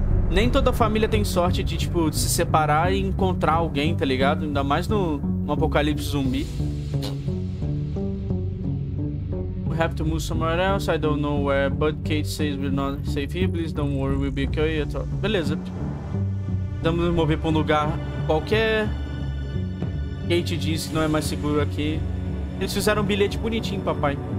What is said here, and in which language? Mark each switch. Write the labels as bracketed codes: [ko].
[pt] Nem toda família tem sorte de, tipo, de se separar e encontrar alguém, tá ligado? Ainda mais no apocalipse zumbi. [en] We have to move somewhere else, I don't know where, but Kate says we're not safe here, please don't worry, we'll be okay. [pt] Beleza. Vamos mover pra um lugar qualquer. Kate diz que não é mais seguro aqui. Eles fizeram um bilhete bonitinho, papai.